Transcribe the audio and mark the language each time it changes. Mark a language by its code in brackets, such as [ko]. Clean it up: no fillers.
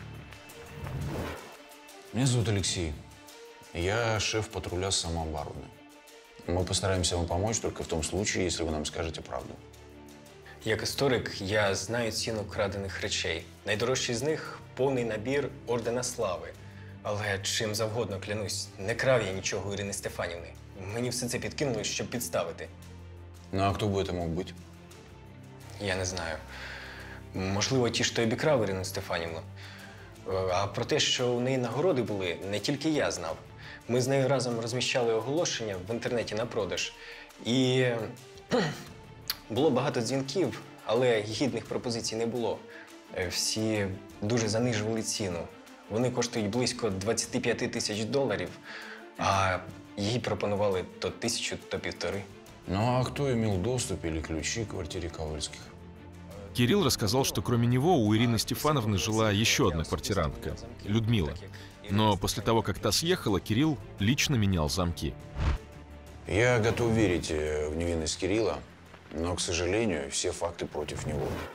[ru] Присаживайся. Меня зовут Алексей. Я шеф патруля самообороны. Мы постараемся вам помочь только в том случае, если вы нам скажете правду. [uk] Як історик, я знаю ціну крадених речей. Найдорожчий з них – повний набір Ордена Слави. Але чим завгодно клянусь, не крав я нічого Ірини Стефанівни. Мені все це підкинули, щоб підставити. Ну а хто би це мог бути? Я не знаю. Можливо, ті, що обікрав Ірину Стефанівну. А про те, що у неї нагороди були, не тільки я знав. Ми з нею разом розміщали оголошення в інтернеті на продаж. І було багато дзвінків, але гідних пропозицій не було. Всі дуже занижували ціну. Вони коштують близько 25 тисяч доларів, а їй пропонували то тисячу, то півтори. Ну а хто мав доступ або ключі в квартирі Ковальських? [ru] Кирилл рассказал, что кроме него у Ирины Стефановны жила еще одна квартирантка – Людмила. Но после того, как та съехала, Кирилл лично менял замки. Я готов верить в невинность Кирилла, но, к сожалению, все факты против него.